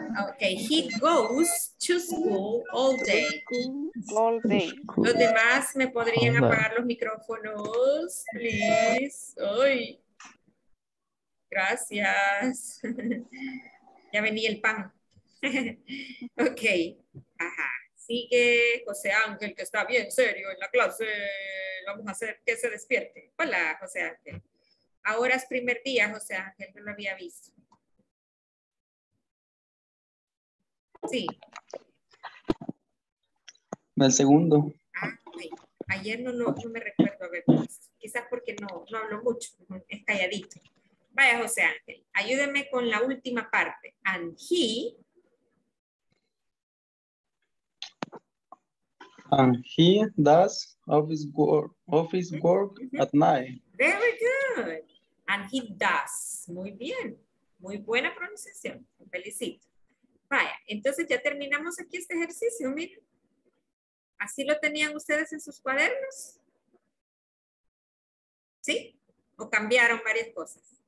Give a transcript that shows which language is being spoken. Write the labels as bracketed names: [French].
[English] Okay, he goes to school all day. All day. [Spanish] Los demás me podrían apagar los micrófonos, please. Ay. Gracias. Ya venía el pan. Okay. Ajá. Sigue José Ángel, que está bien serio en la clase. Vamos a hacer que se despierte. Hola, José Ángel. Ahora es primer día, José Ángel, no lo había visto. Sí. El segundo. Ah, ayer no me recuerdo haber visto. Quizás porque no hablo mucho, es calladito. Vaya, José Ángel, ayúdeme con la última parte. [English] And he... And he does office work mm-hmm. at night. Very good. And he does. [Spanish] Muy bien. Muy buena pronunciación. Felicito. Vaya, entonces ya terminamos aquí este ejercicio. Miren. ¿Así lo tenían ustedes en sus cuadernos? ¿Sí? ¿O cambiaron varias cosas?